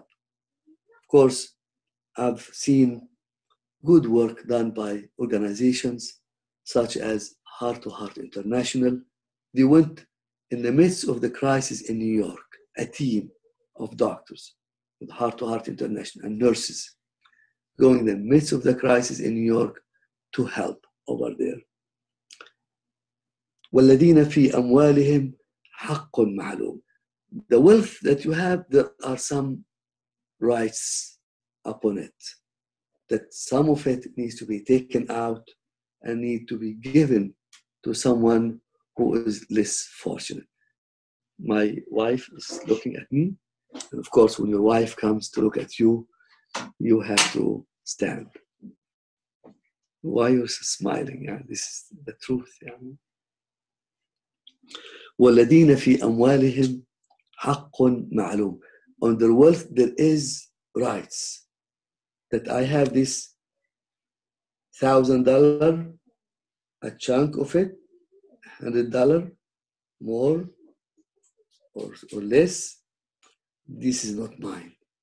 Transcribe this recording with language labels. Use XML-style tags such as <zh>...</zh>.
<en>Of course, I've seen good work done by organizations such as Heart to Heart International. They went in the midst of the crisis in New York, a team of doctors with Heart to Heart International and nurses going in the midst of the crisis in New York to help over there.</en> <ar>والذين في أموالهم حق معلوم.</ar> <en>The wealth that you have, there are some rights upon it, that some of it needs to be taken out and need to be given to someone who is less fortunate. My wife is looking at me. And of course, when your wife comes to look at you, you have to stand. Why are you smiling? Yeah, this is the truth. Yeah.</en> <ar>والذين في أموالهم حق معلوم.</ar> <en>On their wealth, there is rights. That I have this $1,000, a chunk of it, $100, more or less, this is not mine.</en>